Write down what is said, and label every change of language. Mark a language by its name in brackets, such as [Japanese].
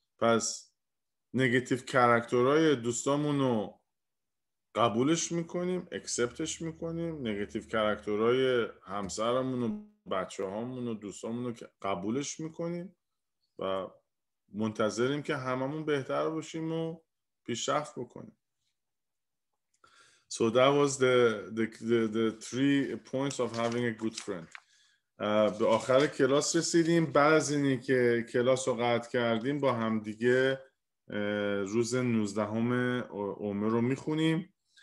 [Persian] پس نگاتیو کاراکترهای دوستامونو قبولش میکنیم، اکسپتش میکنیم، نگاتیو کاراکترهای همسرمونو بچه هامونو دوستامونو قبولش میکنیم و منتظریم که هممون بهتر باشیم و پیشرفت بکنیم. [English] So that was the three points of having a good friend. [Persian] به آخر کلاس رسیدیم. بعد از اینی که کلاس رو قطع کردیم با هم دیگه روز 19 عمر رو میخونیم.